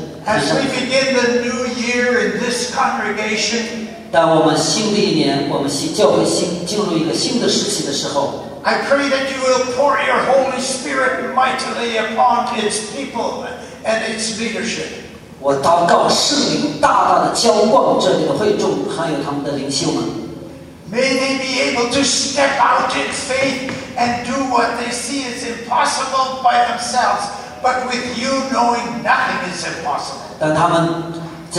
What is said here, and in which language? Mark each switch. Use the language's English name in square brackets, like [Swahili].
[English] as we begin the new year in this congregation, [Chinese] 当我们新的一年，我们新教会进入一个新的时期的时候, [English] I pray that you will pour your Holy Spirit mightily upon its people and its leadership. [Chinese] 我祷告圣灵大大的浇灌这里的会众，还有他们的领袖们。 [English] May they be able to step out in faith and do what they see is impossible by themselves, but with you knowing nothing is impossible.